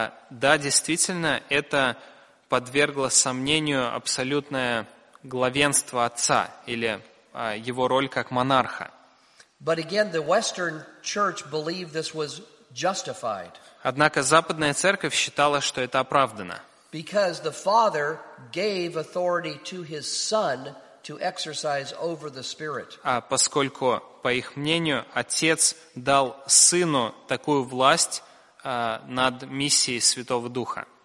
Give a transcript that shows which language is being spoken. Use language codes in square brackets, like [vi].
[ru] Да, действительно, это подвергло сомнению абсолютное главенство Отца или его роль как монарха. [en] But again, the Western Church believed this was justified. [ru] Однако Западная Церковь считала, что это оправдано. [en] Because the Father gave authority to His Son to exercise over the Spirit. [ru] Поскольку, по их мнению, Отец дал Сыну такую власть над миссией Святого Духа.